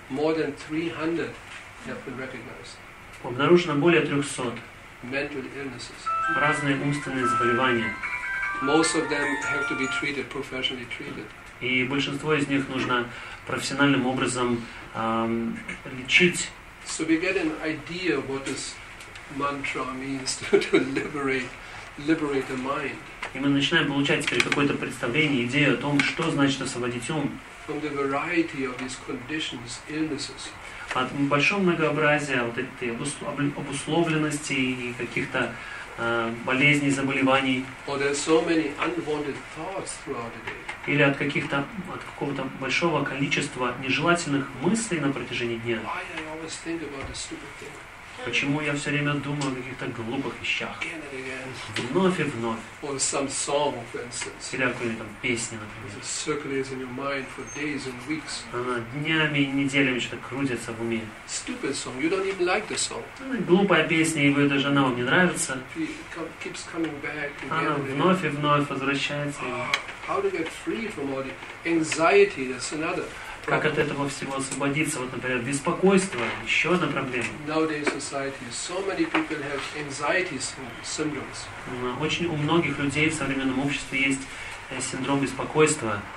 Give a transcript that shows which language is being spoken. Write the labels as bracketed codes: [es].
[en] More than 300 have been recognized. [ru] Обнаружено более 300 [en] mental illnesses. [ru] Разные умственные заболевания. [en] Most of them have to be treated, professionally treated. [ru] И большинство из них нужно профессиональным образом лечить. [en] So we get an idea of what this mantra means to liberate the mind. [ru] И мы начинаем получать теперь какое-то представление, идею о том, что значит освободить ум. [en] From the variety of these conditions, illnesses. [ru] От большого многообразия вот этой обусловленности и каких-то болезней, заболеваний. [en] Or there are so many unwanted thoughts throughout the day. [ru] Или от каких-то, от какого-то большого количества нежелательных мыслей на протяжении дня. [en] Why I always think about the stupid thing? [ru] Почему я все время думаю о каких-то глупых вещах? [en] Again and again. [ru] Вновь и вновь. [en] Or some song, for instance. [ru] Или о какой-нибудь там песне, например. [en] It circulates in your mind for days and weeks. [ru] Она днями и неделями что-то крутится в уме. [en] Stupid song. You don't even like the song. [ru] Глупая песня, и вы даже она вам не нравится. [en] Keeps coming back again and again. [ru] Она вновь и вновь возвращается. [en] How to get free from all the anxiety? That's another. [ru] Как от этого всего освободиться? Вот, например, беспокойство – еще одна проблема. [en] Nowadays society, so many people have anxiety symptoms. [ru] Очень у многих людей в современном обществе есть синдром беспокойства.